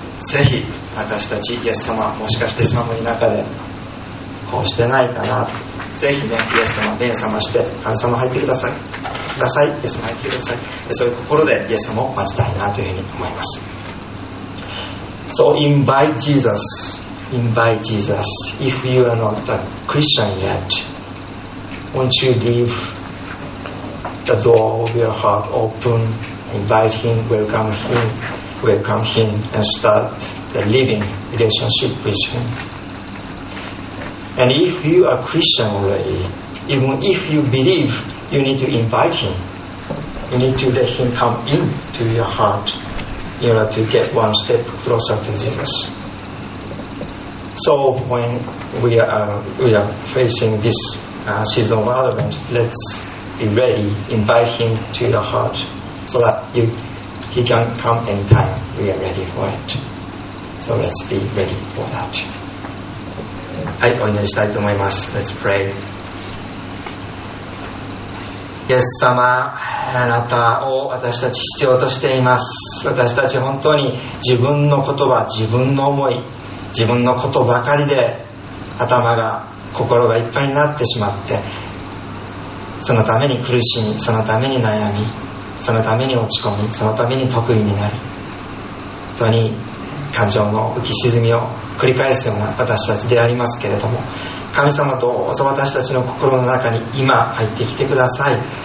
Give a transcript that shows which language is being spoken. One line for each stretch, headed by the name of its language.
Japanese: ぜひ私たちイエス様、もしかして寒い中でこうしてないかなと、ぜひねイエス様目覚まして、神様入ってください、ください、イエス様入ってください、そういう心でイエス様を待ちたいなというふうに思います。
English: So invite Jesus. Invite Jesus. If you are not a Christian yet, won't you leave the door of your heart open? Invite Him, welcome Him, welcome Him, and start the living relationship with Him. And if you are Christian already, even if you believe, you need to invite Him. You need to let Him come into your heart. In order to get one step closer to Jesus. So when we are facing this season of Advent, let's be ready, invite Him to your heart so that He can come anytime we are ready for it. So let's be ready for that.
Japanese: はい、お祈りしたいと思います。
English: Let's pray.
Japanese: イエス様、あなたを私たち必要としています。私たち本当に自分の言葉、自分の思い、自分のことばかりで頭が心がいっぱいになってしまって、そのために苦しみ、そのために悩み、そのために落ち込み、そのために得意になり、本当に感情の浮き沈みを繰り返すような私たちでありますけれども、神様どうぞ私たちの心の中に今入ってきてください。